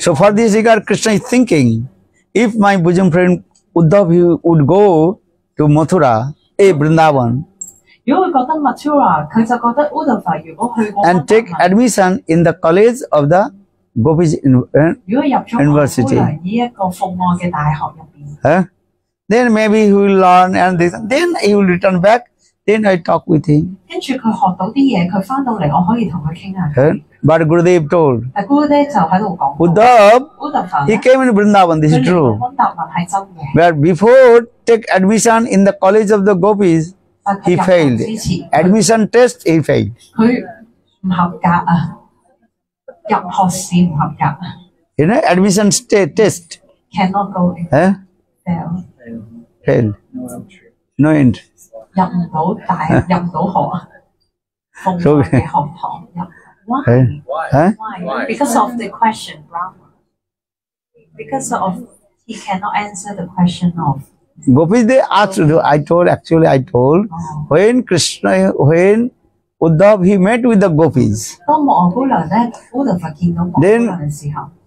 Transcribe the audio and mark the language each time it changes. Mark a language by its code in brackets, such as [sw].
[en] So for this regard, Krishna is thinking, if my bosom friend Uddhav would go to Mathura, Vrindavan. [yue] 如果佢觉得 Mathura， 佢就觉得 Uddhav 如果去过。 [en] And take admission in the college of the Gopis University. [yue] 如果入咗呢一个奉爱嘅大学入边。 [en] Then maybe he will learn and then he will return back. Then I talk with him. [yue] 跟住佢学到啲嘢，佢翻到嚟，我可以同佢倾下。 [en] But Gurudev told. [yue] 但 Gurudev 就喺度讲。 [en] Uddhav. He came in Vrindavan. This is true. [yue] 温达文系真嘅。 [en] But before take admission in the college of the gopis, he failed. Admission test, he failed. [yue] 佢唔合格啊！入学试唔合格。 [en] You know admission test. Cannot go in. Fail. No entry. [yue] 入唔到大，入唔到學啊！奉佛嘅學堂入 ，why？ [en] Because of the question, Brahma. Because of he cannot answer the question of. Gopis, they asked. I told. When Krishna, when Uddhav he met with the Gopis. [yue] 当我姑娘咧 ，Uddhav 见到我姑娘嘅时候